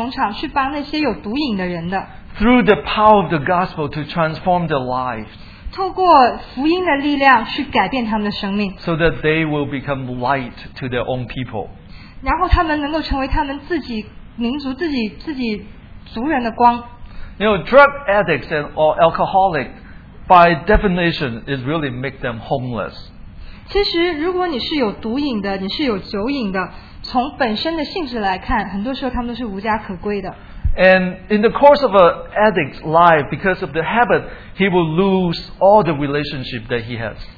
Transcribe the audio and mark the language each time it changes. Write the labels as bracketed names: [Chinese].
[Chinese] 我相信神是想利用我们的戒毒农场去帮那些有毒瘾的人的。 [English] Through the power of the gospel to transform their lives. [Chinese] 透过福音的力量去改变他们的生命, [English] so that they will become light to their own people. [Chinese] 然后他们能够成为他们自己民族自己族人的光。 [English] You know, drug addicts and or alcoholics, by definition, it really makes them homeless. [Chinese] 其实如果你是有毒瘾的，你是有酒瘾的，从本身的性质来看，很多时候他们都是无家可归的。 [English] And in the course of an addict's life, because of the habit, he will lose all the relationship that he has.